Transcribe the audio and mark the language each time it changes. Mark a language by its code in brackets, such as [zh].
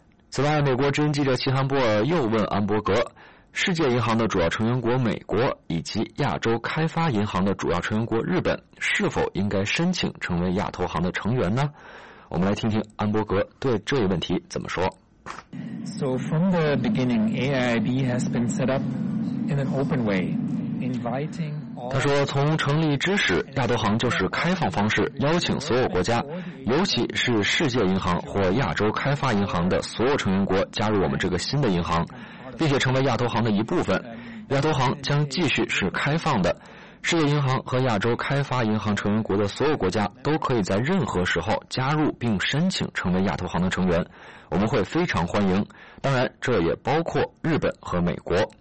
[zh] 此外，美国之音记者齐汉波尔又问安伯格，世界银行的主要成员国美国以及亚洲开发银行的主要成员国日本是否应该申请成为亚投行的成员呢？我们来听听安伯格对这一问题怎么说。 [en] So from the beginning, AIIB has been set up in an open way, inviting. [zh] 他说，从成立之始，亚投行就是开放方式邀请所有国家，尤其是世界银行或亚洲开发银行的所有成员国加入我们这个新的银行，并且成为亚投行的一部分。亚投行将继续是开放的，世界银行和亚洲开发银行成员国的所有国家都可以在任何时候加入并申请成为亚投行的成员，我们会非常欢迎，当然这也包括日本和美国。